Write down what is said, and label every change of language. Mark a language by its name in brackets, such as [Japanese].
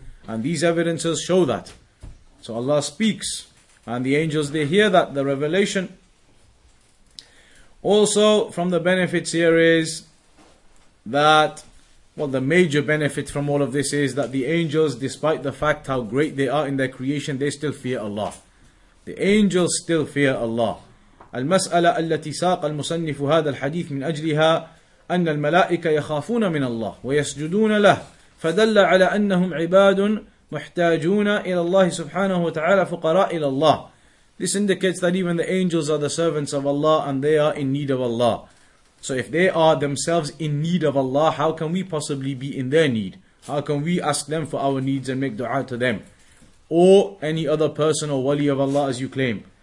[English] And these evidences show that. So Allah speaks, and the angels, they hear that, the revelation. Also, from the benefits here is that, well, the major benefit from all of this is that the angels, despite the fact how great they are in their creation, they still fear Allah. The angels still fear Allah. [Arabic] المسألة التي ساق المصنف هذا الحديث من أجلها أن الملائكة يخافون من الله ويسجدون له فدل على أنهم عباد محتاجون إلى الله سبحانه وتعالى فقراء إلى الله. [English] This indicates that even the angels are the servants of Allah and they are in need of Allah. So if they are themselves in need of Allah, how can we possibly be in their need? How can we ask them for our needs and make dua to them? Or any other person or wali of Allah as you claim.